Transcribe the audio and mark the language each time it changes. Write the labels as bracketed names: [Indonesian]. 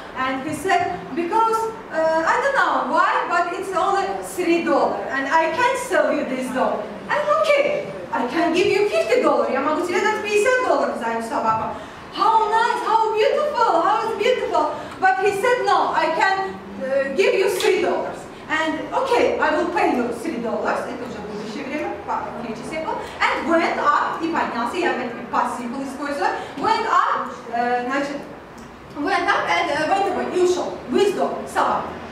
[English] And he said, because, I don't know why, but it's only $3. And I can't sell you this dog. And okay, I can give you $50. [Russian] Я могу тебе дать $50 за эту собаку. [English] How nice, how beautiful. But he said, no, I can give you $3. And okay, I will pay you $3. And went up, [Russian] и поднялся, я опять пассивно использую, [English] went up, [Russian] значит, [English] went up and went away, [Russian] ушел, выездок, собака.